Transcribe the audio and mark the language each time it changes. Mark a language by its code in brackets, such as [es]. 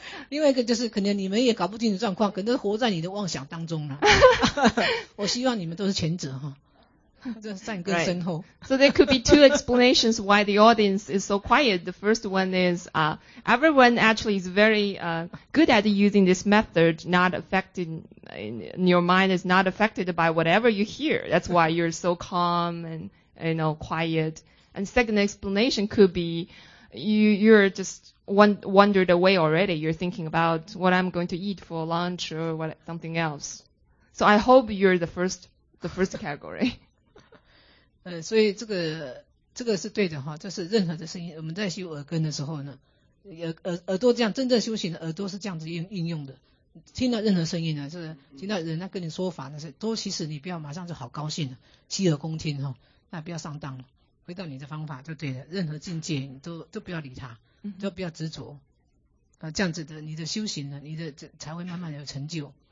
[zh] 另外一个就是可能你们也搞不清楚状况，可能活在你的妄想当中了。我希望你们都是前者哈。 [en] So there could be two explanations why the audience is so quiet. The first one is everyone actually is very good at using this method, not affected, in your mind is not affected by whatever you hear. That's why you're so calm and, you know, quiet. And second explanation could be you're just wandered away already. You're thinking about what I'm going to eat for lunch or what, something else. So I hope you're the first category. [zh] 所以这个是对的哈，就是任何的声音，我们在修耳根的时候呢，耳朵这样真正修行的耳朵是这样子应用的，听到任何声音呢，就是听到人家跟你说法那些，都其实你不要马上就好高兴了，洗耳恭听哈，那不要上当了，回到你的方法就对了，任何境界你都不要理他，都不要执着，这样子的你的修行呢，你的才会慢慢有成就。